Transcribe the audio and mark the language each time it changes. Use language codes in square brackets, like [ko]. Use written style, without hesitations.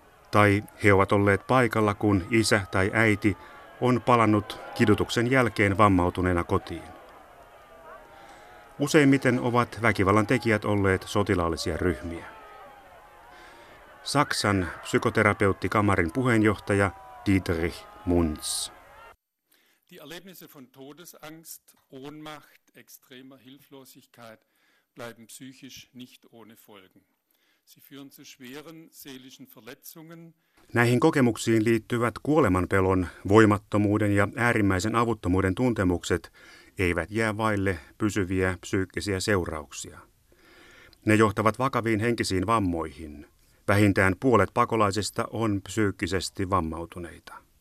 [fi] Tai he ovat olleet paikalla, kun isä tai äiti on palannut kidutuksen jälkeen vammautuneena kotiin. Useimmiten ovat väkivallan tekijät olleet sotilaallisia ryhmiä. Saksan psykoterapeuttikamarin puheenjohtaja Dietrich Munz. [de] Die Erlebnisse von Todesangst, Ohnmacht, extremer Hilflosigkeit bleiben psychisch nicht ohne Folgen. Sie führen zu schweren seelischen Verletzungen. [fi] Näihin kokemuksiin liittyvät kuolemanpelon, voimattomuuden ja äärimmäisen avuttomuuden tuntemukset eivät jää vaille pysyviä psyykkisiä seurauksia. Ne johtavat vakaviin henkisiin vammoihin. Vähintään 1/2 pakolaisista on psyykkisesti vammautuneita.